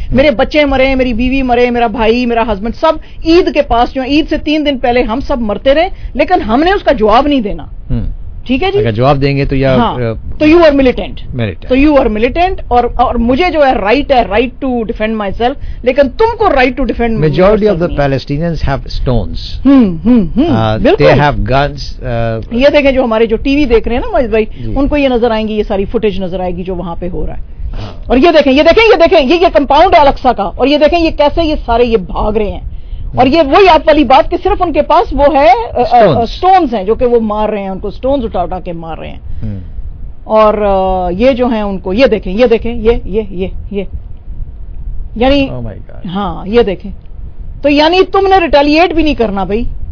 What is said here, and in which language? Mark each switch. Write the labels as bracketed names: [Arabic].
[Urdu] میرے بچے مرے, میری بیوی مرے, میرا بھائی, میرا ہسبینڈ, سب عید کے پاس جو عید سے 3 دن پہلے ہم سب مرتے رہے, لیکن ہم نے اس کا جواب نہیں دینا, ٹھیک ہے جی. اگر جواب دیں گے تو یا [English] تو you are militant, [Urdu] تو [English] you are militant, [Urdu] اور مجھے جو ہے [English] right ہے, right to defend myself, [Urdu] لیکن تم کو [English] Right to defend. Majority of the Palestinians have stones, they have guns. [Urdu] یہ دیکھیں جو ہمارے جو ٹی وی دیکھ رہے ہیں نا ماجد بھائی, ان کو یہ نظر آئیں گی, یہ ساری فوٹیج نظر آئے گی جو وہاں پہ ہو رہا ہے. اور یہ دیکھیں, یہ دیکھیں, یہ دیکھیں, یہ کمپاؤنڈ ہے الکسا کا, اور یہ دیکھیں یہ کیسے یہ سارے یہ بھاگ رہے ہیں, اور یہ وہی آپ والی بات کہ صرف ان کے پاس وہ ہے سٹونز ہیں جو کہ وہ مار رہے ہیں, ان کو سٹونز اٹھا اٹھا کے مار رہے ہیں, اور یہ جو ہیں ان کو یہ دیکھیں, یہ دیکھیں, یہ یہ یہ یہ, یعنی ہاں یہ دیکھیں, تو یعنی تم نے ریٹیلیٹ بھی نہیں کرنا بھائی,